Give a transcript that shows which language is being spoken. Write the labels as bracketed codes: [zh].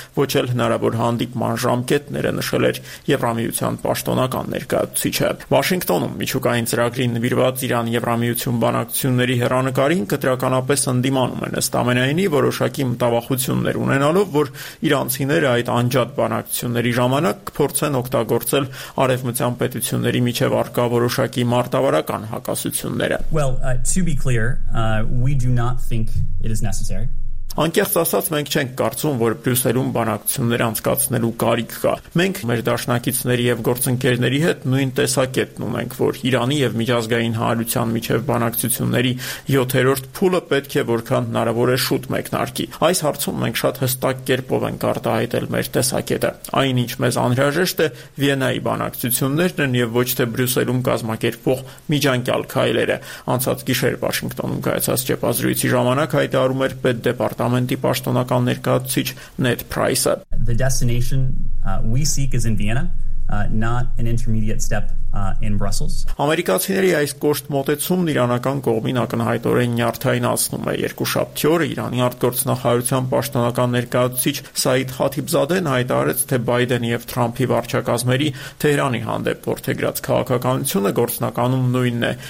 [hy] ոչ էլ հնարավոր հանդիպման ժամկետները, նշել էր Եվրամիության պաշտոնական ներկայացուցիչը։ Վաշինգտոնում միջուկային ծրագրի նվիրված Իրան-Եվրամիություն բանակցությունների հեռանկարին կտրականապես ընդդիմանում են, ըստ ամենայնի, որոշակի մտավախություն հություններ ունենալով, որ իրանցիները այդ անջատ բանակցությունների ժամանակ կփորձեն օգտագործել արևմտյան պետությունների միջև առկա որոշակի մարտավարական հակասությունները։ [en] Well, to be clear, we do not think it is necessary. [hy] Անկեղծ ասած, մենք չենք կարծում, որ Բրյուսելում բանակցություններ անցկացնելու կարիք կա։ Մենք մեր դաշնակիցների եւ գործընկերների հետ նույն տեսակետն ունենք, որ Իրանի եւ միջազգային հանրության միջև բանակցությունների 7-րդ փուլը պետք է որքան հնարավոր է շուտ մեկնարկի։ Այս հարցում մենք շատ հստակ կերպով ենք արտահայտել մեր տեսակետը։ Այնինչ մեզ անհրաժեշտ է, Վիեննայի բանակցություններն են եւ ոչ թե Բրյուսելում կազմակերպող միջանկյալ քայլերը։ Անցած գիշեր Վաշինգտոնում կայացած ճեպազրույցի ժամանակ հայտարարում էր պետ Դեպարտամենտի պաշտոնական ներկայացուցիչ Նեդ Պրայսը. [en] The destination we seek is in Vienna, not an intermediate step in Brussels. [hy] Ամերիկացիների այս կոշտ մոտեցումն իրանական կողմին ակնհայտորեն նյարդայնացնում է։ 2-7 օրը Իրանի արտգործնախարարության պաշտոնական ներկայացուցիչ Սայիդ Խաթիբզադեն հայտարարեց, թե Բայդեն և Թրամփի վարչակազմերի Թեհրանի հանդեպ որդեգրած քաղաքականությունը գործնականում նույնն է։